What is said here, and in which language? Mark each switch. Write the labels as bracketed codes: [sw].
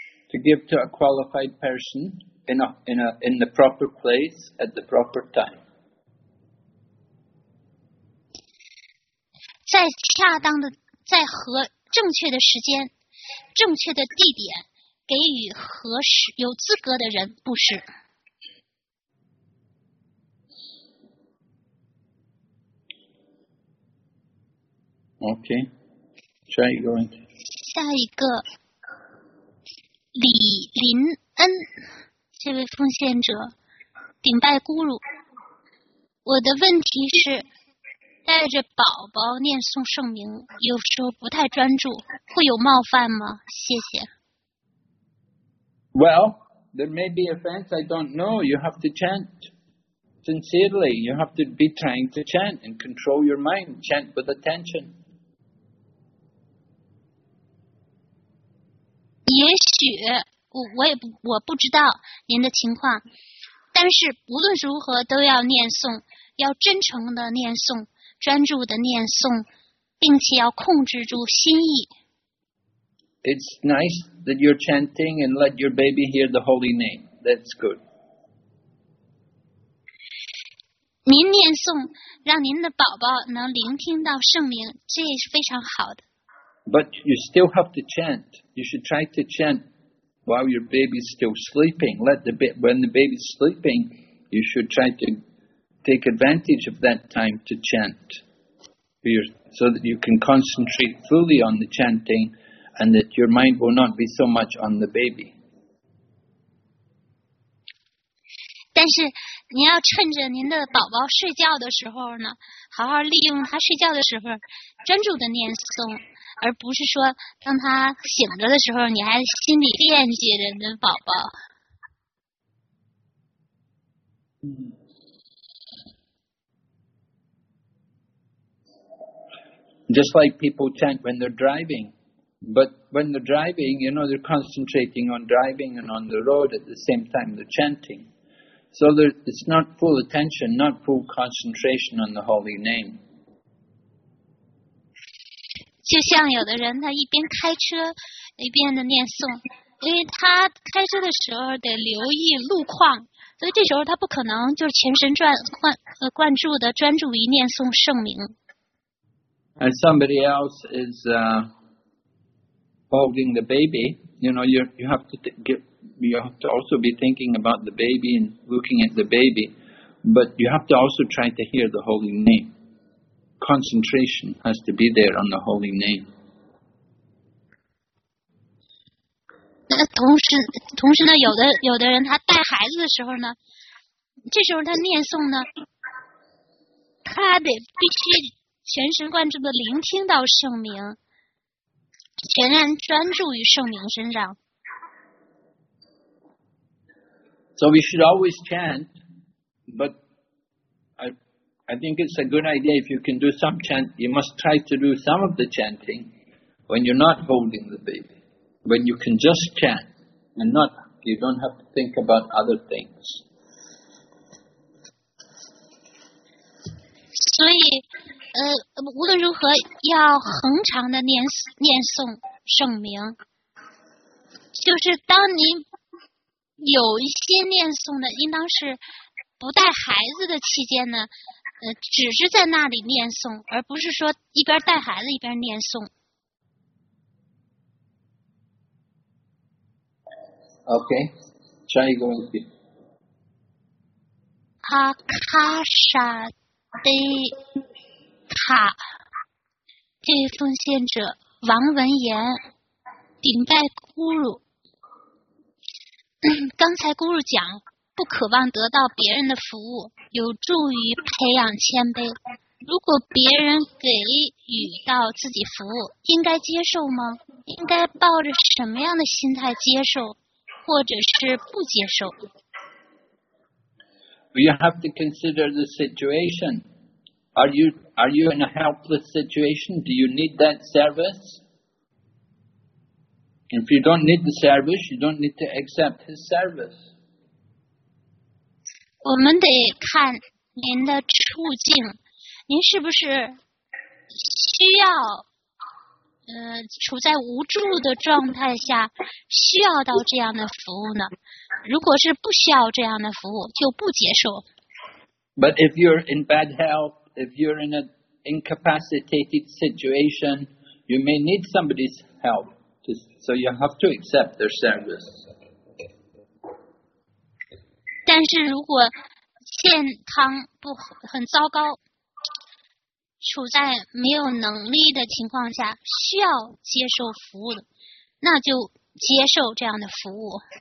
[en] To give to a qualified person in the proper place at the proper time. [zh] 在恰当的在和正确的时间正确的地点给予合适有资格的人布施。 [en] Okay, try going. [zh] 下一个，李林恩，这位奉献者，顶拜咕噜。我的问题是，带着宝宝念诵圣名，有时候不太专注，会有冒犯吗？谢谢。 [en] Well, there may be offense, I don't know. You have to chant sincerely. You have to be trying to chant and control your mind. Chant with attention. [zh] 也许 我不知道您的情况，但是无论如何都要念诵，要真诚的念诵，专注的念诵，并且要控制住心意。 [en] It's nice that you're chanting and let your baby hear the holy name. That's good. [zh] 您念诵，让您的宝宝能聆听到圣名，这也是非常好的。 [en] But you still have to chant. You should try to chant while your baby's still sleeping. When the baby's sleeping, you should try to take advantage of that time to chant so that you can concentrate fully on the chanting and that your mind will not be so much on the baby. [zh] 但是您要趁着您的宝宝睡觉的时候呢，好好利用他睡觉的时候专注的念诵。而不是说当他醒着的时候你还心里惦记着你的宝宝。 [en] Just like people chant when they're driving. But when they're driving, you know, they're concentrating on driving and on the road at the same time they're chanting. So it's not full attention, not full concentration on the holy name. [zh] 就像有的人他一边开车一边的念诵，因为他开车的时候得留意路况，所以这时候他不可能就是全神贯注的专注于念诵圣名。 [en] And somebody else is holding the baby, you know, you have to also be thinking about the baby and looking at the baby, but you have to also try to hear the holy name. Concentration has to be there on the holy name. [zh] 同时呢，有的人他带孩子的时候呢，这时候他念诵呢，他得必须全神贯注的聆听到圣名，全然专注于圣名身上。 [en] So we should always chant, but I think it's a good idea if you can do some chant, you must try to do some of the chanting when you're not holding the baby. When you can just chant and not, you don't have to think about other things. [zh] 所以无论如何要恒常的念诵圣名。就是当你有一些念诵的应当是不带孩子的期间呢只是在那里念诵，而不是说一边带孩子一边念诵。 [en] Okay, try going to. [zh] Akasha de Ka, 这位奉献者王文言，顶拜咕噜。刚才咕噜讲，不渴望得到别人的服务。有助于培养谦卑。如果别人给予到自己服务，应该接受吗？应该抱着什么样的心态接受，或者是不接受？ [en] You have to consider the situation. Are you in a helpless situation? Do you need that service? If you don't need the service, you don't need to accept his service. [zh] 我们得看您的处境，您是不是需要处在无助的状态下需要到这样的服务呢？如果是不需要这样的服务，就不接受。 [en] But if you're in bad health, if you're in an incapacitated situation, you may need somebody's help. So you have to accept their service. [zh] 但是如果健康不很糟糕，处在没有能力的情况下，需要接受服务的，那就接受这样的服务。